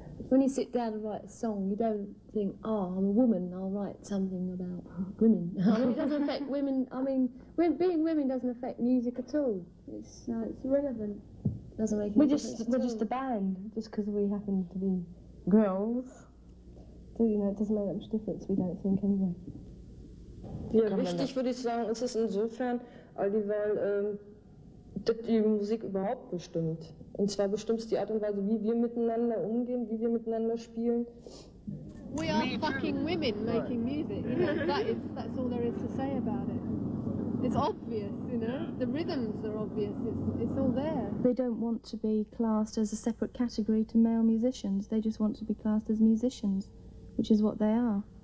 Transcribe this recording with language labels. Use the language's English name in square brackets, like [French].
[English] When you sit down and write a song, you don't think, oh, I'm a woman, I'll write something about women. I mean, it doesn't affect women. I mean, being women doesn't affect music at all. It's irrelevant. It doesn't make any difference. We're just a band, just because we happen to be girls. So, you know, it doesn't make much difference, we don't think, anyway. [German] Ja, wichtig würde ich sagen, ist es insofern, Aldi, weil die Musik überhaupt bestimmt. Und zwar bestimmt es die Art und Weise, wie wir miteinander umgehen, wie wir miteinander spielen. [English] We are Me fucking too. Women making music. You know, that's all there is to say about it. It's obvious, you know. The rhythms are obvious. It's all there. They don't want to be classed as a separate category to male musicians. They just want to be classed as musicians, which is what they are.